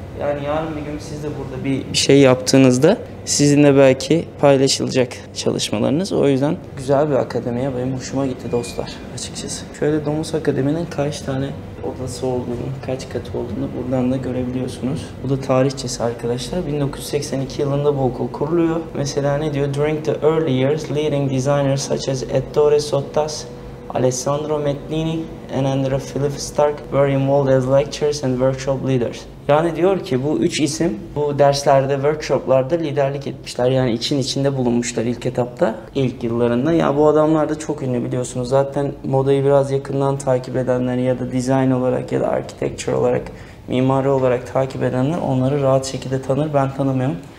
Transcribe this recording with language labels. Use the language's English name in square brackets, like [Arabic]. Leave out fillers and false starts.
[Turkish] Yani yarın bir gün siz de burada bir şey yaptığınızda sizinle belki paylaşılacak çalışmalarınız. O yüzden güzel bir akademiye, benim hoşuma gitti dostlar açıkçası. Şöyle Domus Akademi'nin kaç tane odası olduğunu, kaç katı olduğunu buradan da görebiliyorsunuz. Bu da tarihçesi arkadaşlar. 1982 yılında bu okul kuruluyor. Mesela ne diyor? [English] During the early years, leading designers such as Ettore Sottas, Alessandro Metlini and Andrea Philip Stark were involved as lecturers and workshop leaders. [Turkish] Yani diyor ki bu üç isim bu derslerde, workshoplarda liderlik etmişler. Yani için içinde bulunmuşlar ilk etapta, ilk yıllarında. Ya bu adamlar da çok ünlü biliyorsunuz. Zaten modayı biraz yakından takip edenler ya da design olarak ya da architecture olarak, mimari olarak takip edenler onları rahat şekilde tanır. Ben tanımıyorum.